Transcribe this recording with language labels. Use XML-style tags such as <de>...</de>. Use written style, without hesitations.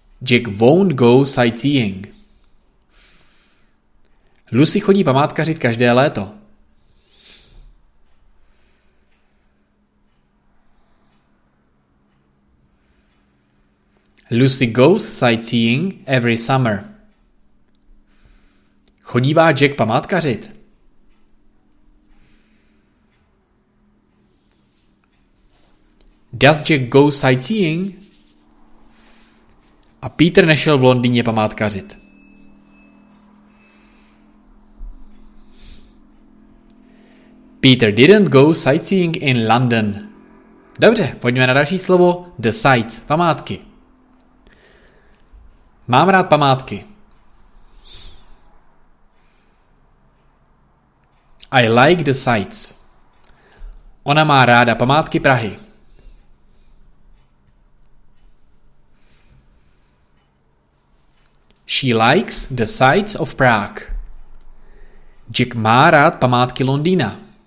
<en>Jack won't go sightseeing.</en> <cs>Lucy chodí památkařit každé léto.</cs> <en>Lucy goes sightseeing every summer.</en> <cs>Chodívá Jack památkařit.</cs> <en>Does Jack go sightseeing?</en> <cs>A Peter nešel v Londýně památkařit.</cs> <en>Peter didn't go sightseeing in London.</en> <cs>Dobře, pojďme na další slovo.</cs> <en>The sights,</en> <cs>památky. Mám rád památky.</cs> <en>I like the sights.</en> <cs>Ona má ráda památky Prahy.</cs> <en>She likes the sights of Prague.</en> <cs>Jack má rád památky Londýna.</cs>